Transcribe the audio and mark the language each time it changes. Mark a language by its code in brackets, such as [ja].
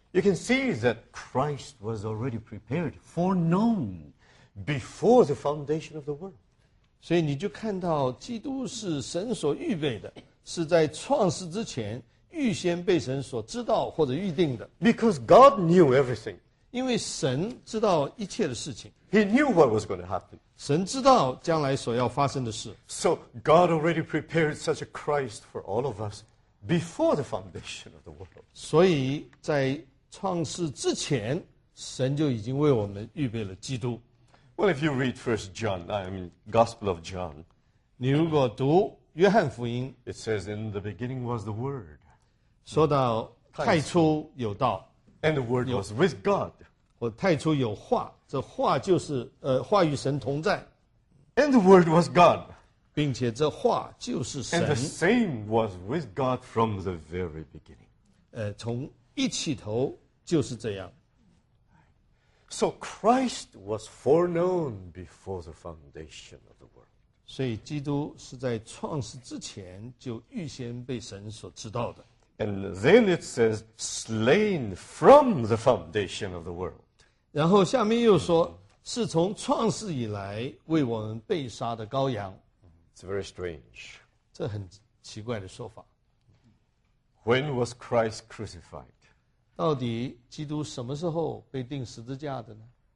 [en] You can see that Christ was already prepared, foreknown. Before the foundation of the world. [zh] 所以你就看到基督是神所预备的，是在创世之前预先被神所知道或者预定的。 [en] Because God knew everything. [zh] 因为神知道一切的事情。 [en] He knew what was going to happen. [zh] 神知道将来所要发生的事。 [en] So God already prepared such a Christ for all of us before the foundation of the world. [zh] 所以在创世之前，神就已经为我们预备了基督。 [en] Well, if you read 1 John, I mean Gospel of John, [zh] 你如果读约翰福音 [en] ，It says in the beginning was the Word. [zh] 说到太初有道 [en] ，And the Word was with God. [zh] 或太初有话，这话就是话与神同在 [en] ，And the Word was God. [zh] 并且这话就是神 [en] ，And the same was with God from the very beginning. [zh] 从一起头就是这样。 [en] So Christ was foreknown before the foundation of the world. [zh] 所以基督是在创世之前就预先被神所知道的。 [en] And then it says, slain from the foundation of the world. [zh] 然后下面又说，是从创世以来为我们被杀的羔羊。 [en] It's very strange. [zh] 这很奇怪的说法。 [en] When was Christ crucified? [zh] 到底基督什么时候被钉十字架的呢